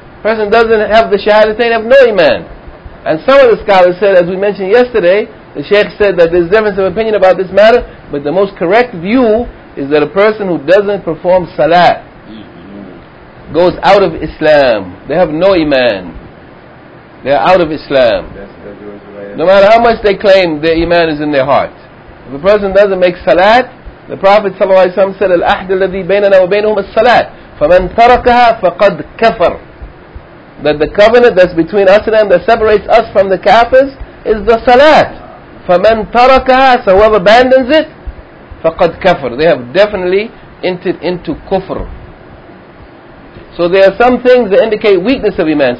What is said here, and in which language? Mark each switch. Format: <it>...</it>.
<en>A person doesn't have the Shahadatain, they have no Iman. And some of the scholars said, as we mentioned yesterday, the Shaykh said that there's a difference of opinion about this matter, but the most correct view is that a person who doesn't perform Salat goes out of Islam. They have no Iman. They are out of Islam. No matter how much they claim their Iman is in their heart. If a person doesn't make Salat, the Prophet ﷺ said,</en> <ar>الْأَحْدِ الَّذِي بَيْنَنَا وَبَيْنُهُمَ الصَّلَاةِ فَمَنْ تَرَكَهَا فَقَدْ كَفَرْ.</ar> <en>That the covenant that's between us and them, that separates us from the kafirs, is the Salat.</en> <ar>فَمَنْ تَرَكَهَا,</ar> <en>so whoever abandons it,</en> <ar>فَقَدْ كَفَرْ.</ar> <en>They have definitely entered into kufr. So there are some things that indicate weakness of Iman.</en>